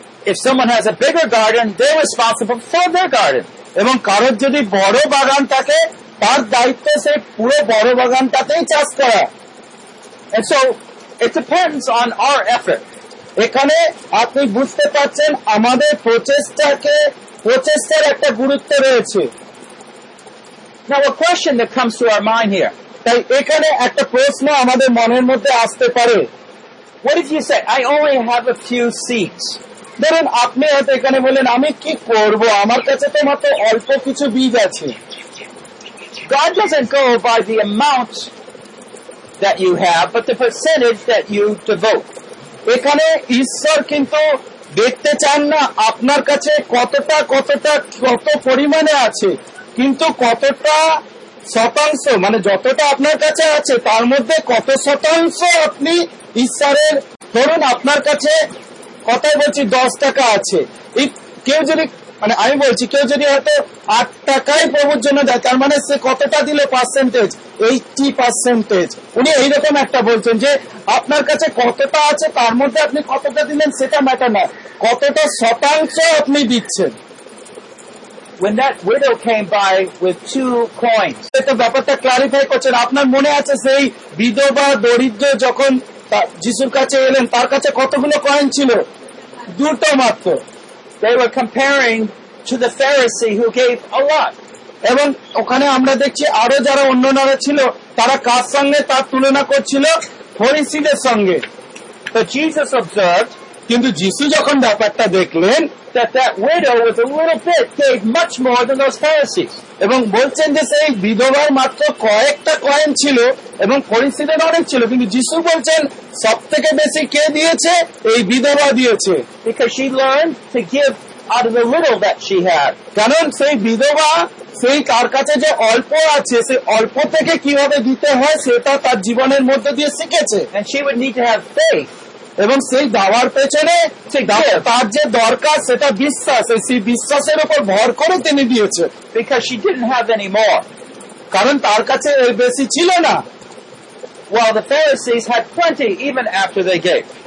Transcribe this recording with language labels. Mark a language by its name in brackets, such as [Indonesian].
[English] If someone has a bigger garden, they're responsible for their garden. [Bangla] এবং কারোর যদি বড় বাগান থাকে তার দায়িত্ব সে পুরো বড় বাগানটাতেই চাষ করা। [English] And so it depends on our effort. [Bangla] এখানে আপনি বুঝতে পারছেন আমাদের প্রচেষ্টাকে প্রচেষ্টার একটা গুরুত্ব রয়েছে। [English] Now a question that comes to our mind here. [Bangla] তাই এখানে একটা প্রশ্ন আমাদের মনের মধ্যে আসতে পারে। [English] What if you say, I only have a few seeds? [Bangla] ধরুন আপনি হয়তো এখানে বললেন আমি কি করব, আমার কাছে তো মাত্র অল্প কিছু বীজ আছে। [English] God doesn't go by the amount that you have, but the percentage that you devote. [Bangla] এখানে ঈশ্বর কিন্তু দেখতে চান না আপনার কাছে কতটা কতটা কত পরিমাণে আছে, কিন্তু কতটা শতাংশ মানে যতটা আপনার কাছে আছে তার মধ্যে কত শতাংশ আপনি ঈশ্বরের, ধরুন আপনার কাছে কথাই বলছি দশ টাকা আছে, কেউ যদি মানে আমি বলছি কেউ যদি হয়তো আট টাকায় প্রভুর জন্য দেয় তার মানে সে কতটা দিলে পার্সেন্টেজ 80%। উনি এইরকম একটা বলছেন যে আপনার কাছে কতটা আছে তার মধ্যে আপনি কতটা দিলেন সেটা ম্যাটার না, কতটা শতাংশ আপনি দিচ্ছেন। [English] When that widow came by with two coins, [Bangla] এটা ব্যাপারটা ক্লারিফাই করছেন, আপনার মনে আছে সেই বিধবা দরিদ্র যখন যিশুর কাছে এলেন তার কাছে কতগুলো কয়েন ছিল, দুটো মাত্র। [English] They were comparing to the Pharisee who gave a lot. [Bangla] এবং ওখানে আমরা দেখছি আরো যারা অন্য নারা ছিল তারা কার সঙ্গে তার তুলনা করছিল, ফরিসিদের সঙ্গে। [English] তো Jesus observe, [Bangla] কিন্তু যিশু যখন ব্যাপারটা দেখলেন, [English] that that widow with a little bit gave much more than those Pharisees. [Bangla] এবং বলছেন যে সেই বিধবার মাত্র কয়েকটা কয়েন ছিল এবং ফরিসিদের অনেক ছিল, কিন্তু যিশু বলছেন সব থেকে বেশি কে দিয়েছে, এই বিধবা দিয়েছে। [English] Because she learned to give out of the little that she had. [Bangla] কারণ সেই বিধবা সেই তার কাছে যে অল্প আছে সেই অল্প থেকে কিভাবে দিতে হয় সেটা তার জীবনের মধ্যে দিয়ে শিখেছে। [English] And she would need to have faith. [Bangla] এবং সেই দাওয়ার পেছনে তার যে দরকার সেটা বিশ্বাস, সেই বিশ্বাসের উপর ভর করে তিনি দিয়েছে। [English] Because she didn't have any more. [Bangla] কারণ তার কাছে এর বেশি ছিল না। [English] Well, the Pharisees had plenty even after they gave.